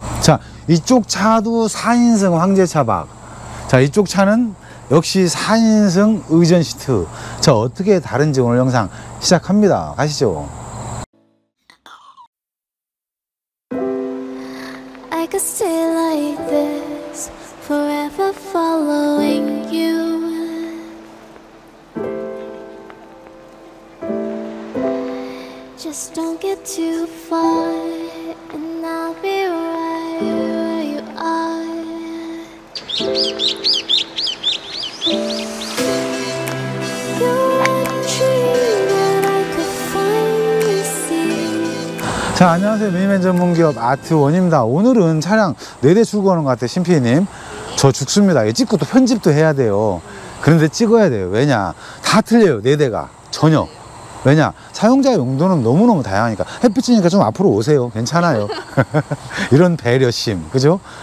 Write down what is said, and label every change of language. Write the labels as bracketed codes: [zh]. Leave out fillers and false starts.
[ko] 자, 이쪽 차도 4인승 황제차박. 자, 이쪽 차는 역시 4인승 의전시트. 자, 어떻게 다른지 오늘 영상 시작합니다. 가시죠. [en] I could stay like this forever following you. Just don't get too far and I'll be right where you are. You're a dream that I could finally see. [ko] 자, 안녕하세요. 미니맨 전문기업 아트원입니다. 오늘은 차량 4대 출고하는 것 같아요. 신피디님, 저 죽습니다. 이거 찍고 또 편집도 해야 돼요. 그런데 찍어야 돼요. 왜냐, 다 틀려요 4대가 전혀. 왜냐, 사용자 용도는 너무너무 다양하니까. 햇빛이니까 좀 앞으로 오세요. 괜찮아요. 이런 배려심, 그죠?